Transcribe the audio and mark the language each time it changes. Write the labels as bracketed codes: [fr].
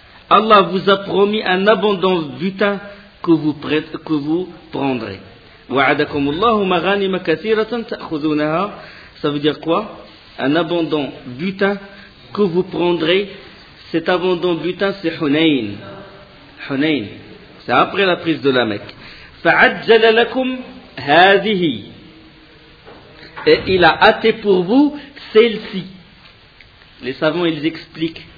[fr] Allah vous a promis un abondant butin que vous prendrez. [ar] وعدكم الله مغانم كثيرة تأخذونها. [fr] Ça veut dire quoi? Un abondant butin que vous prendrez. Cet abondant butin, c'est Hunayn. Hunayn. C'est après la prise de la Mecque. [ar] فعجل لكم هذه. [fr] Et il a hâté pour vous celle-ci. Les savants, ils expliquent.